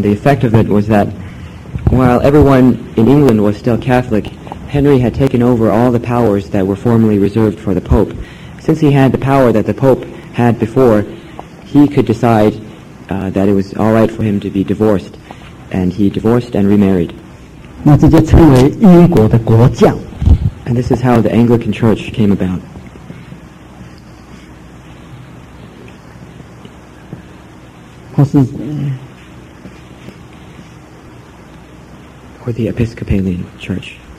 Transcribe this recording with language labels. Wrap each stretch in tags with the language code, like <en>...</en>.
<en>the effect of it was that. While everyone in England was still Catholic, Henry had taken over all the powers that were formerly reserved for the Pope. Since he had the power that the Pope had before, he could decide that it was all right for him to be divorced, and he divorced and remarried.</en> <zh>那这就称为英国的国教。</zh> <en>And this is how the Anglican Church came about.</en> <zh>或是</zh> <en>or the Episcopalian Church.</en>